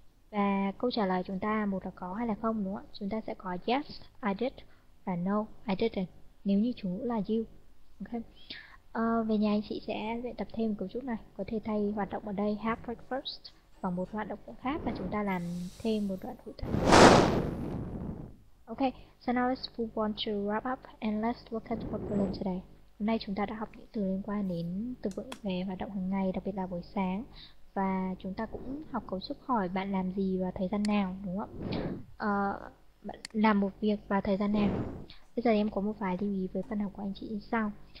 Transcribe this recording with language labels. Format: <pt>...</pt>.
<vi>Và câu trả lời chúng ta một là có hay là không đúng không ạ? Chúng ta sẽ có</vi> <en>yes, I did</en> <vi>và</vi> <en>no, I didn't</en> <vi>nếu như chủ ngữ là you. Okay. Về nhà anh chị sẽ luyện tập thêm một chút này. Có thể thay hoạt động ở đây</vi> <en>have breakfast</en> <vi>và một hoạt động khác và chúng ta làm thêm một đoạn hội thoại.</vi> <en>Okay, so now let's move on to wrap up and let's look at what we learned today.</en> <vi>Hôm nay chúng ta đã học những từ liên quan đến từ vựng về hoạt động hàng ngày, đặc biệt là buổi sáng. Và chúng ta cũng học cấu trúc hỏi bạn làm gì và thời gian nào, đúng không? Bạn làm một việc và thời gian nào. Bây giờ em có một vài lưu ý với phần học của anh chị như sau.</vi>